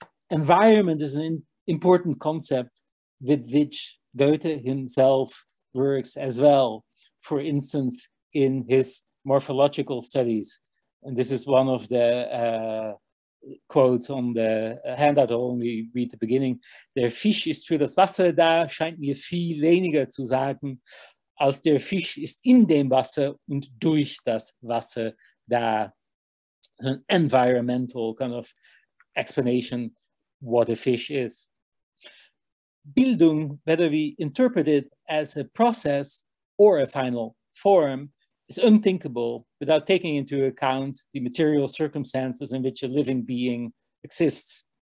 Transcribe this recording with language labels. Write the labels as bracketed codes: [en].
[en] Environment is an important concept with which Goethe himself works as well, for instance, in his morphological studies. And this is one of the quotes on the handout. I'll only read the beginning. [de] Der Fisch ist für das Wasser da, scheint mir viel weniger zu sagen, als der Fisch ist in dem Wasser und durch das Wasser da. [en] An environmental kind of explanation what a fish is. Bildung, whether we interpret it as a process or a final form, is unthinkable without taking into account the material circumstances in which a living being exists.